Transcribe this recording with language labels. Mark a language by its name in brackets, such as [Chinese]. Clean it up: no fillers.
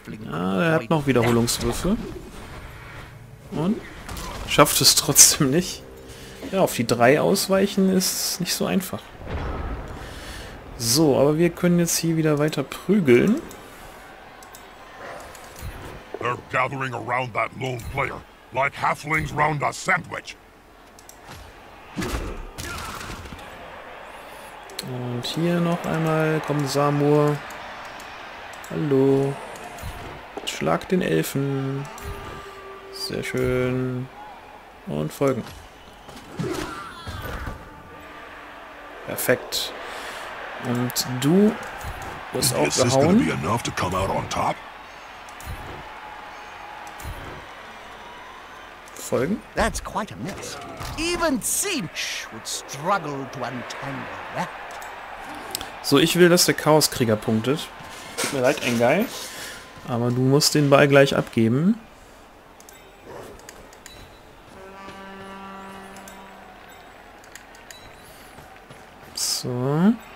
[German] Er hat noch Wiederholungswürfe. Und schafft es trotzdem nicht. Ja, auf die 3 ausweichen ist nicht so einfach. So, aber wir können jetzt hier wieder weiter prügeln. [English] They're gathering around that lone player, like halflings round a sandwich. [German] Und hier noch einmal kommt Samur. Hallo. Schlag den Elfen. Sehr schön. Und folgen. Perfekt. Und du wirst auch gehauen. [English] Is this gonna be enough to come out on top? [German] Folgen. [English] That's quite a mess. Even Tsiinch would struggle to untangle that. [German] So, ich will, dass der Chaoskrieger punktet. Tut mir leid, Engai. Aber du musst den Ball gleich abgeben. So.